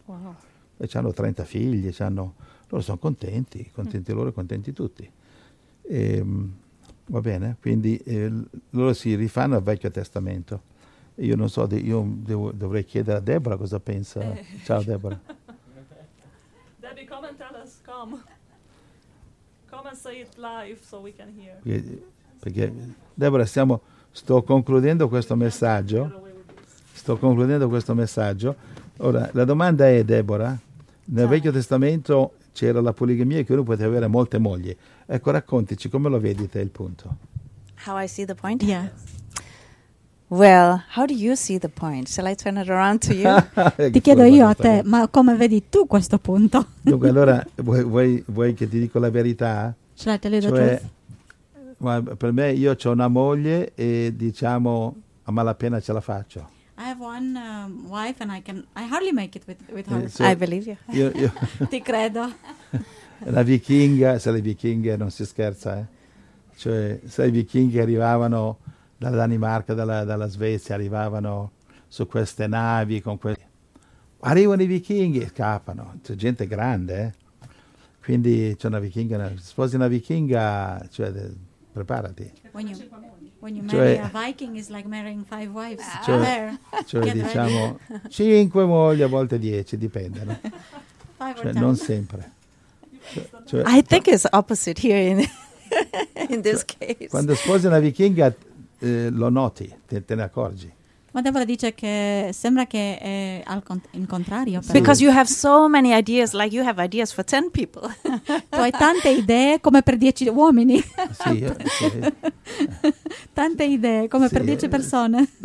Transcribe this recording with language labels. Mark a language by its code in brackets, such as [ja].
[it] Wow. E hanno 30 figli, loro sono contenti loro e contenti tutti. E, va bene, quindi loro si rifanno al Vecchio Testamento. Io non so, io dovrei chiedere a Deborah cosa pensa. Ciao Deborah. [en] Debbie, come and tell us, come and say it live so we can hear. [it] Perché Deborah, sto concludendo questo messaggio. Sto concludendo questo messaggio. Ora, la domanda è, Deborah, nel Vecchio Testamento c'era la poligamia e che uno poteva avere molte mogli. Ecco, raccontici, come lo vedi te il punto? [en] How I see the point? Yeah. Well, how do you see the point? Shall I turn it around to you? [it] Ti chiedo io a te, ma come vedi tu questo punto? Dunque, allora, vuoi che ti dico la verità? [en] Shall I tell you the truth? [it] Ma per me, io ho una moglie e diciamo, a malapena ce la faccio. [en] I have one wife and I hardly make it with her. Cioè, I believe you. [it] Io ti credo. La vichinga, se le vichinghe non si scherza, cioè se i vichinghi arrivavano dalla Danimarca, dalla Svezia, arrivavano su queste navi, arrivano i vichinghi e scappano, c'è gente grande, quindi c'è una vichinga, sposi una vichinga, cioè preparati. [en] When you marry a viking is like marrying five wives. [it] Diciamo 5 mogli, a volte 10, dipende, no? Non sempre. [en] I think it's opposite here in this case. [it] Quando sposi una vichinga lo noti, te ne accorgi. Ma Deborah dice che sembra che è al contrario. Sì. [en] Because you have so many ideas, like you have ideas for 10 people. [it] Tu hai tante idee come per 10 uomini. Sì. Tante idee come per 10 persone.